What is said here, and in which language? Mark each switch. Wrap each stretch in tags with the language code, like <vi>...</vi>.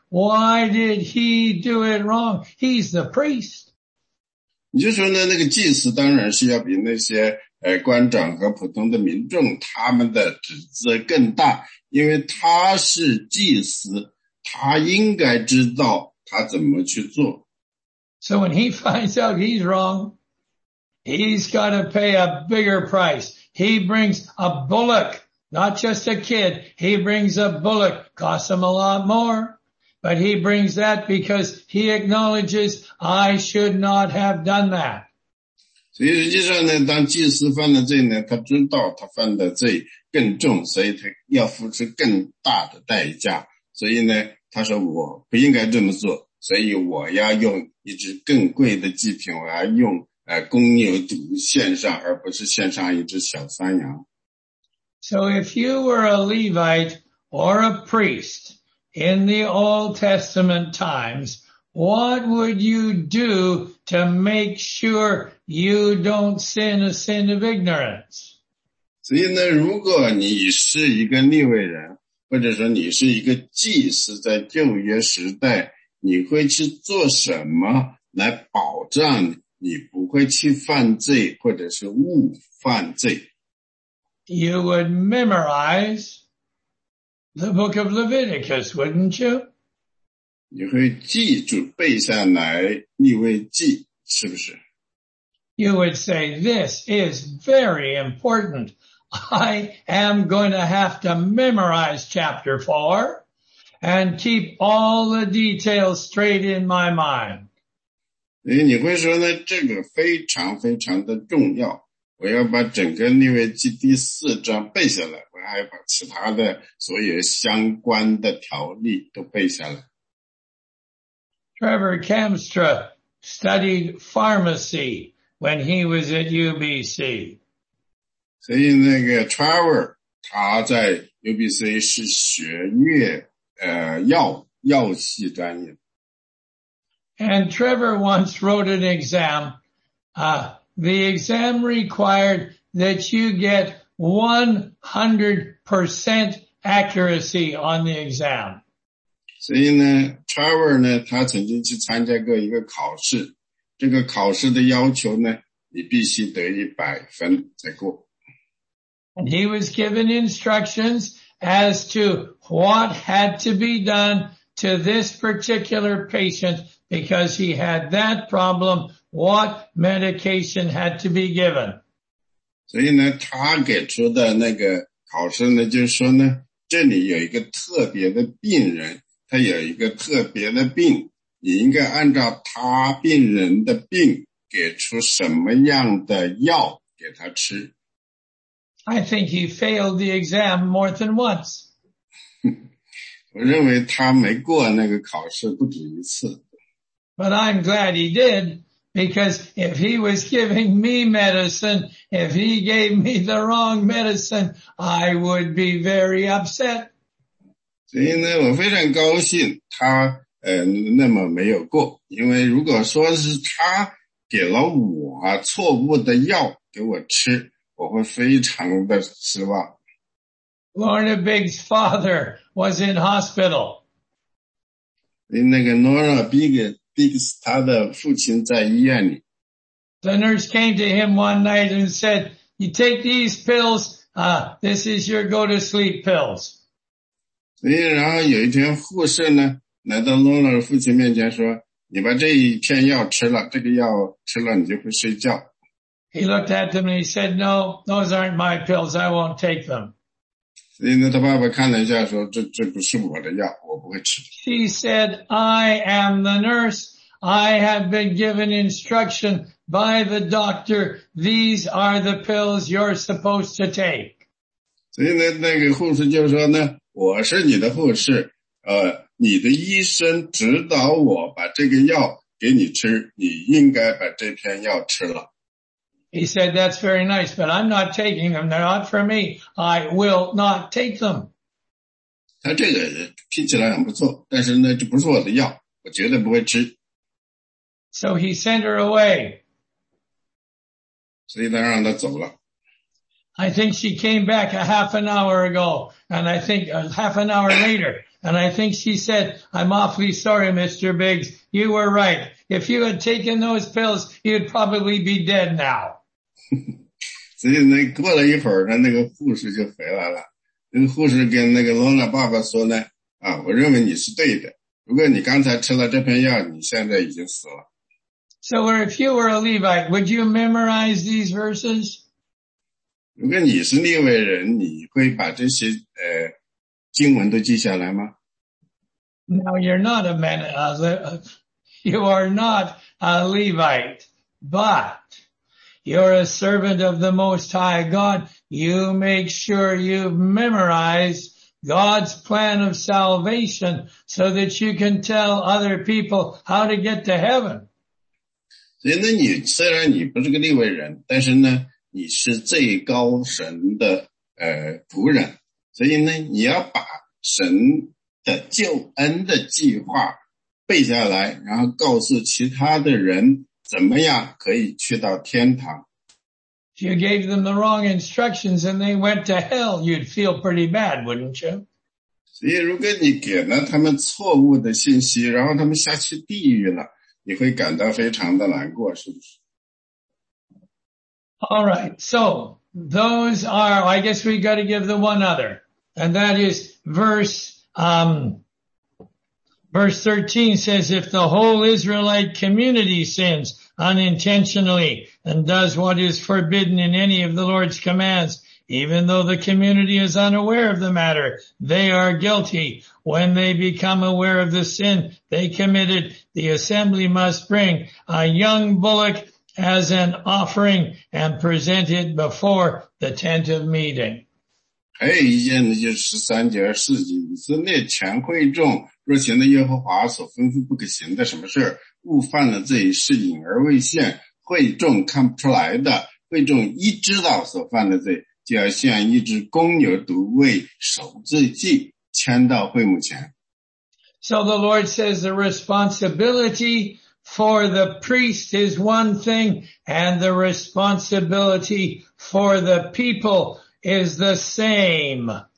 <en>Why did he do it wrong? He's the priest.</en> <zh>你就说呢，那个祭司当然是要比那些官长和普通的民众他们的职责更大，因为他是祭司，他应该知道他怎么去做。</zh> <en>So when he finds out he's wrong, he's got to pay a bigger price. He brings a bullock, not just a kid. He brings a bullock, costs him a lot more. But he brings that because he acknowledges, I should not have done that.</en> <zh>所以实际上呢，当祭司犯了罪呢，他知道他犯的罪更重，所以他要付出更大的代价。所以呢，他说我不应该这么做。所以我要用一只更贵的祭品，我要用公牛犊献上，而不是献上一只小山羊。</zh> <en>So if you were a Levite or a priest in the Old Testament times, what would you do to make sure you don't sin a sin of ignorance?</en> <zh>所以呢，如果你是一个利未人，或者说你是一个祭司，在旧约时代。你会去做什么来保障你不会去犯罪或者是误犯罪？</zh> <en>You would memorize the book of Leviticus, wouldn't you?</en> <zh>你会记住背下来利未记，是不是？</zh> <en>You would say, this is very important. I am going to have to memorize chapter 4. And keep all the details straight in my mind.</en> <zh>你会说呢，这个非常非常的重要，我要把整个利未记第四章背下来，我还要把其他的所有相关的条例都背下来。</zh> <en>Trevor Kamstra studied pharmacy when he was at UBC.</en> <zh>所以那个 Trevor 他在 UBC 是学乐药系专业。</zh> <en>And Trevor once wrote an exam. The exam required that you get 100% accuracy on the exam.</en> <zh>所以呢 Trevor 呢他曾经去参加过一个考试，这个考试的要求呢你必须得100分才过。</zh> <en>And he was given instructions as to what had to be done to this particular patient because he had that problem, what medication had to be given.</en> <zh>所以呢他给出的那个考试呢就是说呢这里有一个特别的病人，他有一个特别的病，你应该按照他病人的病给出什么样的药给他吃。</zh> <en>I think he failed the exam more than once.</en> <zh>我认为他没过那个考试不止一次。</zh> <en>But I'm glad he did, because if he was giving me medicine, if he gave me the wrong medicine, I would be very upset.</en> <zh>所以呢，我非常高兴他那么没有过，因为如果说是他给了我错误的药给我吃，我会非常的失望。</zh> <en>Lorna Big's father was in hospital.</en> <zh>那个 Lorna Big's 他的父亲在医院里。</zh> <en>The nurse came to him one night and said, "You take these pills. This is your go-to-sleep pills."</en> <zh>所以然后有一天护士呢来到 Lorna 父亲面前说，你把这一片药吃了，这个药吃了你就会睡觉。</zh> <en>He looked at them and he said, "No, those aren't my pills. I won't take them."</en> <zh>所以他爸爸看了一下说，这不是我的药，我不会吃。</zh> <en>She said, "I am the nurse. I have been given instruction by the doctor. These are the pills you're supposed to take."</en> <zh>所以那个护士就说呢，我是你的护士，你的医生指导我把这个药给你吃，你应该把这片药吃了。</zh> <en>He said, "That's very nice, but I'm not taking them. They're not for me. I will not take them."</en> <zh>他这个听起来很不错，但是呢，这不是我的药，我绝对不会吃。</zh> <en>So he sent her away.</en> <zh>所以他让她走了。</zh> <en>I think she came back a half an hour ago, and I think half an hour later. And I think she said, "I'm awfully sorry, Mr. Biggs. You were right. If you had taken those pills, you'd probably be dead now."</en> <zh>所以那过了一会儿呢，那个护士就回来了。那个护士跟那个 Lorna 爸爸说呢，啊，我认为你是对的。如果你刚才吃了这片药，你现在已经死了。</zh> <en>So if you were a Levite, would you memorize these verses?</en> <zh>如果你是利未人，你会把这些经文都记下来吗？</zh> <en>Now you're not a man, you are not a Levite, but you're a servant of the Most High God. You make sure you memorize God's plan of salvation so that you can tell other people how to get to heaven.</en> <zh>所以呢，你虽然你不是个利未人，但是呢，你是最高神的仆人。所以呢，你要把神的救恩的计划背下来，然后告诉其他的人怎么样可以去到天堂。</zh> <en>You gave them the wrong instructions and they went to hell, you'd feel pretty bad, wouldn't you?</en> <zh>所以如果你给了他们错误的信息，然后他们下去地狱了，你会感到非常的难过，是不是？</zh> <en>All right, so... Those are, I guess we've got to give the one other. And that is verse 13 says, if the whole Israelite community sins unintentionally and does what is forbidden in any of the Lord's commands, even though the community is unaware of the matter, they are guilty. When they become aware of the sin they committed, the assembly must bring a young bullock as an offering and presented before the tent of meeting.</en> <zh>还有一件呢，就是13节4节，以色列全会众若行了耶和华所吩咐不可行的什么事，误犯了罪，是隐而未现，会众看不出来的，会众一知道所犯的罪，就要献一只公牛犊为守罪祭，牵到会幕前。</zh> <en>So the Lord says the responsibility for the priest is one thing, and the responsibility for the people is the same.</en>